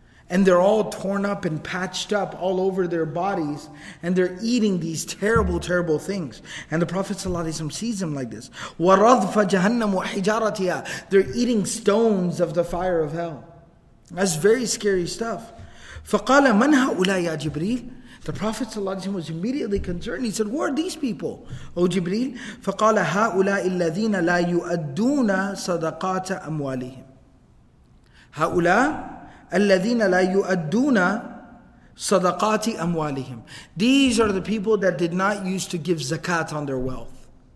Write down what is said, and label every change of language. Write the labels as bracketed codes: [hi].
[en] And they're all torn up and patched up all over their bodies. And they're eating these terrible, terrible things. And the Prophet ﷺ sees them like this. [ar] وَرَضْفَ جَهَنَّمُ وَحِجَارَتِهَا [en] They're eating stones of the fire of hell. That's very scary stuff. [ar] فَقَالَ مَنْ هَؤُلَىٰ يَا جِبْرِيلِ [en] The Prophet ﷺ was immediately concerned. He said, who are these people, O Jibreel? [ar] فَقَالَ هَؤُلَىٰ الَّذِينَ لَا يُؤَدُّونَ صَدَقَاتَ أَمْوَالِهِمْ هَؤُلَىٰ الَّذِينَ لَا يُؤَدُّونَ صَدَقَاتِ أَمْوَالِهِمْ [en] These are the people that did not use to give zakat on their wealth.